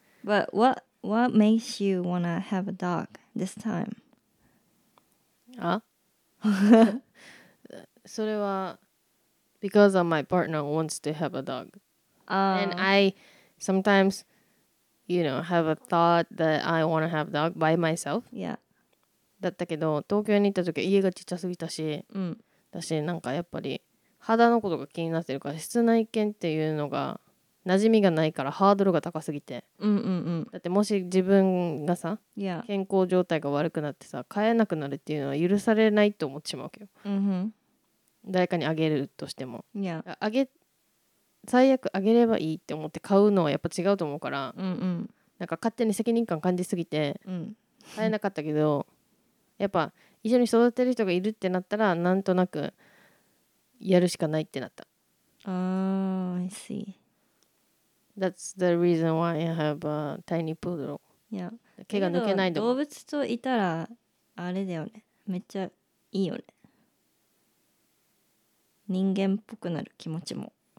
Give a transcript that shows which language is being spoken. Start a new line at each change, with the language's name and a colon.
English: But what makes you want to have a dog this time?
Japanese: それは
English: because of my partner wants to have a dog. And I sometimes, you know, have a thought that I want to have a dog by myself. Yeah.
Japanese: だったけど東京に行った時家がちっちゃすぎたし、うん、だしなんかやっぱり肌のことが気になってるから室内犬っていうのが馴染みがないからハードルが高すぎて、うんうんうん、だってもし自分がさ、
English: yeah.
Japanese: 健康状態が悪くなってさ飼えなくなるっていうのは許されないと思ってしまうけど、 mm-hmm. 誰かにあげるとしても、
English: yeah.
Japanese: あげ最悪あげればいいって思って飼うのはやっぱ違うと思うから、 mm-hmm. なんか勝手に責任感感じすぎて、 mm-hmm. 飼えなかったけどやっぱ一緒に育てる人がいるってなったらなんとなくやるしかないってなった。
English: Oh, I see. That's the reason why I have a tiny poodle. Yeah.
Japanese: 毛が抜けないの。動物といたらあれだよね。めっちゃいいよね。人間っぽくなる気持ちも。